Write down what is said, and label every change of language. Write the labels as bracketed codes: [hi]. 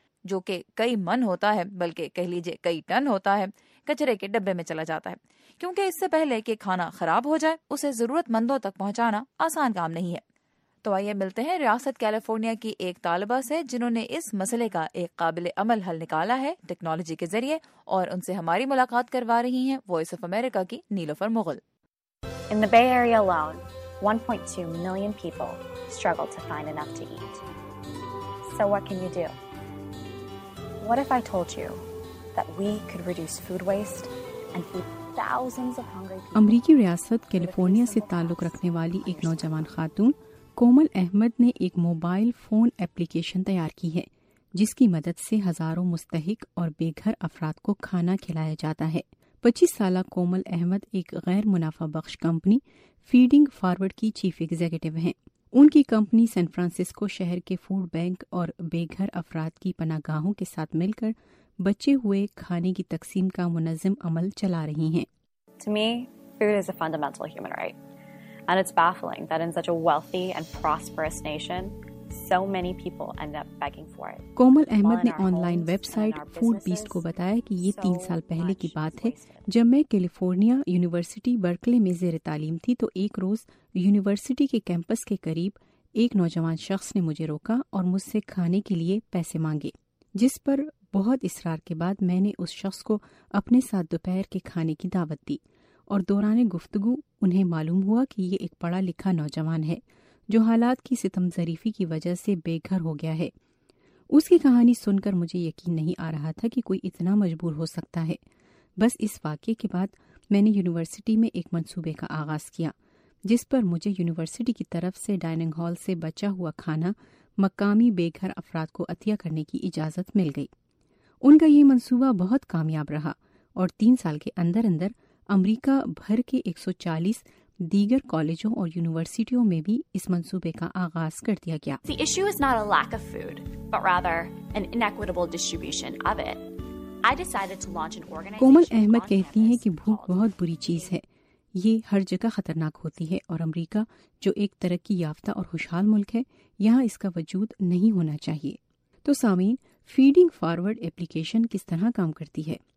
[ur] جو کہ کئی من ہوتا ہے بلکہ کہہ لیجئے کئی ٹن ہوتا ہے، کچرے کے ڈبے میں چلا جاتا ہے، کیونکہ اس سے پہلے کہ کھانا خراب ہو جائے اسے ضرورت مندوں تک پہنچانا آسان کام نہیں ہے۔ تو آئیے ملتے ہیں ریاست کیلیفورنیا کی ایک طالبہ سے جنہوں نے اس مسئلے کا ایک قابل عمل حل نکالا ہے ٹیکنالوجی کے ذریعے، اور ان سے ہماری ملاقات کروا رہی ہیں وائس آف امریکہ کی نیلوفر Mughal. [en] In the Bay Area alone, 1.2 million people struggle to find enough to eat. So what can you do? What if I told you that we could reduce food waste and feed thousands of hungry people? [ur] امریکی ریاست California سے تعلق رکھنے والی ایک نوجوان خاتون کومل احمد نے ایک موبائل فون ایپلیکیشن تیار کی ہے، جس کی مدد سے ہزاروں مستحق اور بے گھر افراد کو کھانا کھلایا جاتا ہے۔ 25 سالہ کومل احمد ایک غیر منافع بخش کمپنی فیڈنگ فارورڈ کی چیف ایگزیکٹو ہیں۔ ان کی کمپنی سین فرانسسکو شہر کے فوڈ بینک اور بے گھر افراد کی پناہ گاہوں کے ساتھ مل کر بچے ہوئے کھانے کی تقسیم کا منظم عمل چلا رہی ہیں۔ [en] And it's baffling that in such a wealthy and prosperous nation, so many people end up begging for it. [ur] کومل احمد نے on line web site food best کو بتایا کہ یہ 3 سال پہلے کی بات ہے، جب میں کیلیفورنیا یونیورسٹی برکلے میں زیر تعلیم تھی تو ایک روز یونیورسٹی کے کیمپس کے قریب ایک نوجوان شخص نے مجھے روکا اور مجھ سے کھانے کے لیے پیسے مانگے، جس پر بہت اصرار کے بعد میں نے اس شخص کو اپنے ساتھ دوپہر کے کھانے کی دعوت دی، اور دوران گفتگو انہیں معلوم ہوا کہ یہ ایک پڑھا لکھا نوجوان ہے جو حالات کی ستم ظریفی کی وجہ سے بے گھر ہو گیا ہے۔ اس کی کہانی سن کر مجھے یقین نہیں آ رہا تھا کہ کوئی اتنا مجبور ہو سکتا ہے۔ بس اس واقعے کے بعد میں نے یونیورسٹی میں ایک منصوبے کا آغاز کیا، جس پر مجھے یونیورسٹی کی طرف سے ڈائننگ ہال سے بچا ہوا کھانا مقامی بے گھر افراد کو عطیہ کرنے کی اجازت مل گئی۔ ان کا یہ منصوبہ بہت کامیاب رہا، اور 3 سال کے اندر اندر امریکہ بھر کے 140 دیگر کالجوں اور یونیورسٹیوں میں بھی اس منصوبے کا آغاز کر دیا گیا۔ [en] The issue is not a lack of food, but rather an inequitable distribution of it. I decided to launch an organization. [ur] کومل احمد کہتی ہیں کہ بھوک بہت بری چیز ہے، یہ ہر جگہ خطرناک ہوتی ہے، اور امریکہ جو ایک ترقی یافتہ اور خوشحال ملک ہے، یہاں اس کا وجود نہیں ہونا چاہیے۔ تو سامعین، فیڈنگ فارورڈ اپلیکیشن کس طرح کام کرتی ہے؟